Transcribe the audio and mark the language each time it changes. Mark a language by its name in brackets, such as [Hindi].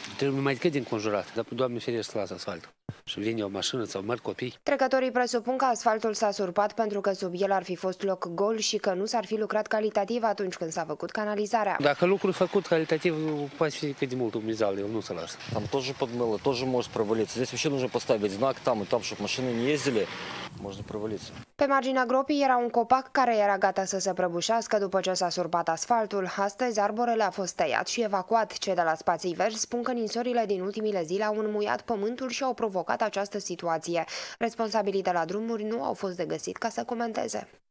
[Romanian] Trebuie mai decât înconjurat, dar Doamne ferește, lasă asfaltul. Și vine o mașină sau merg copii. Trecătorii presupun că asfaltul s-a surpat pentru că sub el ar fi fost loc gol și că nu s-ar fi lucrat calitativ atunci când s-a făcut canalizarea. Dacă lucrul făcut calitativ, poate fi cât de mult umizal, eu nu se lasă. [Russian] Там тоже подмыло, тоже может провалиться. Здесь вообще нужно поставить знак там и там, чтобы машины не ездили. Можно провалиться. [Romanian] Pe marginea gropii era un copac care era gata să se prăbușească după ce s-a surpat asfaltul. Astăzi arborele a fost tăiat și evacuat. Cei de la Spații Verzi spun că ninsorile din ultimile zile au înmuiat pământul și au provocat această situație. Responsabilii de la drumuri nu au fost de găsit ca să comenteze.